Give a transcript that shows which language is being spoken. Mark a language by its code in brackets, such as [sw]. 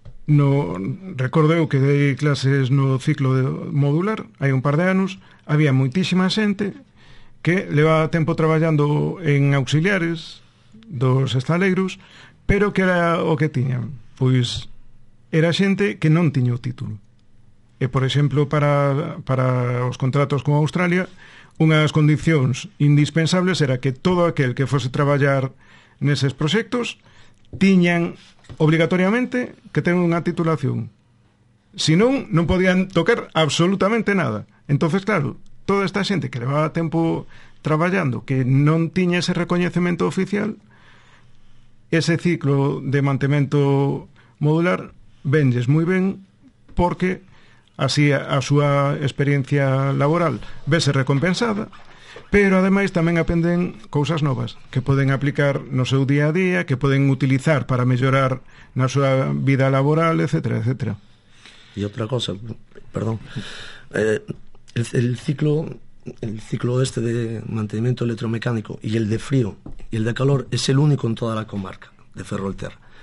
[gl] No, recordo eu que dei clases no ciclo de modular hai un par de anos, había moitísima xente que levaba tempo traballando en auxiliares dos estaleiros, pero que era o que tiñan, pois era xente que non tiña o título. E por exemplo, para os contratos con Australia, unha das condicións indispensables era que todo aquel que fose traballar neses proxectos tiñan obligatoriamente que ten unha titulación. Si non, non podían tocar absolutamente nada. Entonces, claro, toda esta xente que levaba tempo traballando, que non tiña ese recoñecemento oficial, ese ciclo de mantemento modular venlles moi ben, porque así a súa experiencia laboral vese recompensada, pero ademais tamén aprenden cousas novas que poden aplicar no seu día a día, que poden utilizar para mellorar na súa vida laboral, etcétera, etcétera. E outra cosa, perdón, [es] el ciclo este de mantenimiento electromecánico y el de frío y el de calor es el único en toda la comarca de Ferrolterra.